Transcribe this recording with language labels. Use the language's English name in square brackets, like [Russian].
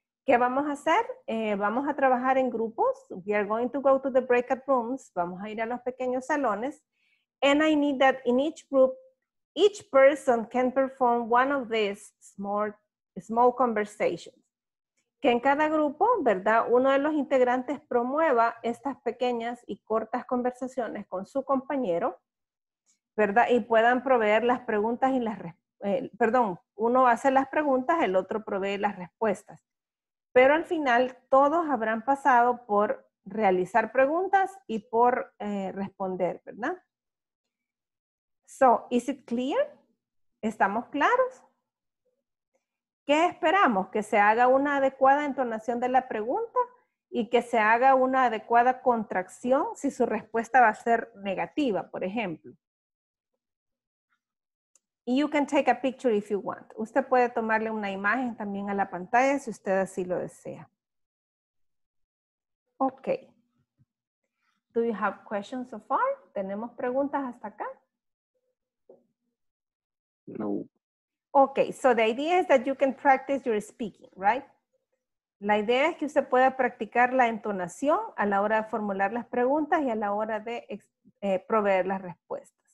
[Spanish] ¿Qué vamos a hacer? Vamos a trabajar en grupos. [English] We are going to go to the breakout rooms. [Spanish] Vamos a ir a los pequeños salones. [English] And I need that in each group, each person can perform one of these small conversations. [Spanish] Que en cada grupo, ¿verdad? Uno de los integrantes promueva estas pequeñas y cortas conversaciones con su compañero, ¿verdad? Y puedan proveer las preguntas y las uno hace las preguntas, el otro provee las respuestas. Pero al final, todos habrán pasado por realizar preguntas y por responder, ¿verdad? [English] So, is it clear? [Spanish] ¿Estamos claros? ¿Qué esperamos? Que se haga una adecuada entonación de la pregunta y que se haga una adecuada contracción si su respuesta va a ser negativa, por ejemplo. [English] You can take a picture if you want. [Spanish] Usted puede tomarle una imagen también a la pantalla si usted así lo desea. [English] Okay. Do you have questions so far? [Spanish] ¿Tenemos preguntas hasta acá? No. [English] Okay, so the idea is that you can practice your speaking, right? [Spanish] La idea es que usted pueda practicar la entonación a la hora de formular las preguntas y a la hora de proveer las respuestas.